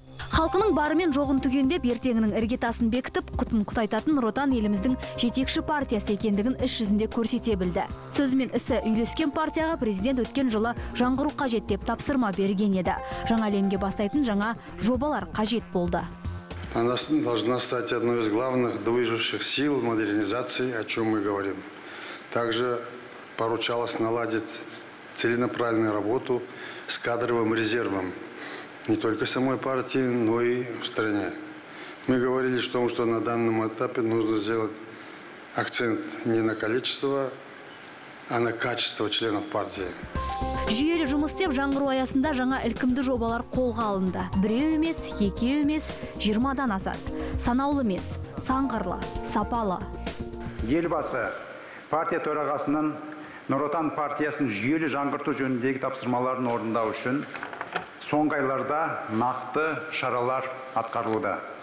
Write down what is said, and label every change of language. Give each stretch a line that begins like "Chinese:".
Kazakh: Халқының барымен жоғын түгендеп, ертеңінің іргетасын бекітіп, құтын құтайтатын Нұр Отан еліміздің жетекші партиясы екендігін іс жүзінде көрсете білді. Сөзі мен ісі үйлескен партияға президент өткен жылы жаңғыру қажет деп тапсырма берген еді. Жаңа әлемге бастайтын жаңа жобалар қажет болды.
Russian: Она должна стать одной из главных движущих сил модернизации, о чем мы говорим. Также поручалось наладить целенаправленную работу с кадровым резервом. Не только самой партии, но и в стране. Мы говорили о том, что на данном этапе нужно сделать акцент не на количество, а на качество членов партии.
Kazakh: Жүйелі жұмыс істеп, жаңғыру аясында жаңа ілкімді жобалар қолға алынды. Біреу емес, екеу емес, 20-дан асады. Санаулы емес, саңғырлы, сапалы. Елбасы партия төрағасының Нұр Отан партиясын жүйелі жаңғырту жөніндегі тапсырмаларын орындау үшін соңғы айларда нақты шаралар атқарылуда.